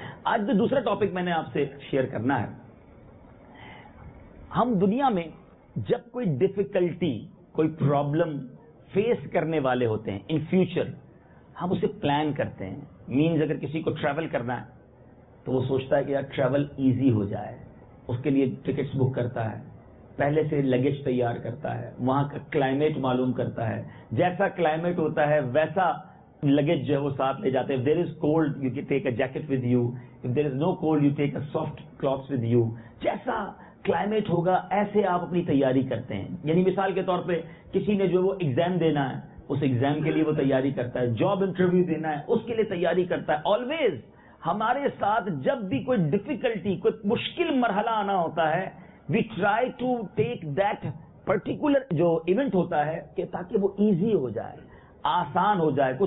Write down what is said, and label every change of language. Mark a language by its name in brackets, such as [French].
[Urdu] آج جو دوسرا ٹاپک میں نے آپ سے شیئر کرنا ہے, ہم دنیا میں جب کوئی ڈیفیکلٹی, کوئی پرابلم فیس کرنے والے ہوتے ہیں [English] in future, [Urdu] ہم اسے پلان کرتے ہیں. مینز اگر کسی کو ٹریول کرنا ہے تو وہ سوچتا ہے کہ یار ٹریول ایزی ہو جائے, اس کے لیے ٹکٹس بک کرتا ہے, پہلے سے لگیج تیار کرتا ہے, وہاں کا کلائمیٹ معلوم کرتا ہے, جیسا کلائمیٹ ہوتا ہے ویسا لگیج جو ہے وہ ساتھ لے جاتے ہیں. [English] There is cold you can take a jacket with you, if there is no cold you take a soft clothes with you. [Urdu] جیسا کلائمیٹ ہوگا ایسے آپ اپنی تیاری کرتے ہیں. یعنی مثال کے طور پہ کسی نے جو وہ ایگزام دینا ہے اس ایگزام کے لیے وہ تیاری کرتا ہے, جاب انٹرویو دینا ہے اس کے لیے تیاری کرتا ہے. آلویز ہمارے ساتھ جب بھی کوئی ڈیفیکلٹی, کوئی مشکل مرحلہ آنا ہوتا ہے, [English] we try to take that particular [Urdu] جو ایونٹ ہوتا ہے کہ تاکہ وہ ایزی ہو جائے, آسان ہو جائے.